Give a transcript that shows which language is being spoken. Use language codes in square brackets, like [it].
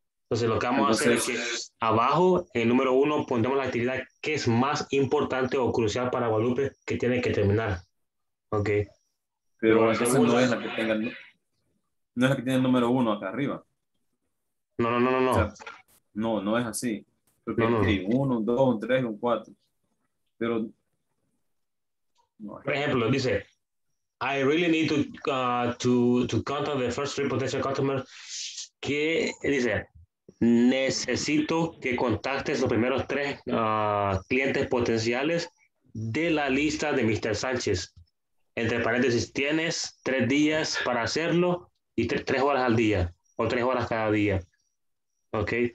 [es] Entonces, lo que vamos a hacer es que abajo, en el número uno, pondremos la actividad que es más importante o crucial para Guadalupe que tiene que terminar, ¿ok? Pero la segunda no es la que tenga, no es la que tiene el número uno acá arriba. No, no, no, no, no. O sea, no, no es así. Porque no, hay uno, dos, tres, un cuatro. Pero... No. Por ejemplo, dice, [en] I really need to contact the first three potential customers. [es] ¿Qué dice? Necesito que contactes los primeros tres clientes potenciales de la lista de Mr. Sánchez. Entre paréntesis, tienes tres días para hacerlo y tres horas al día o tres horas cada día. Ok.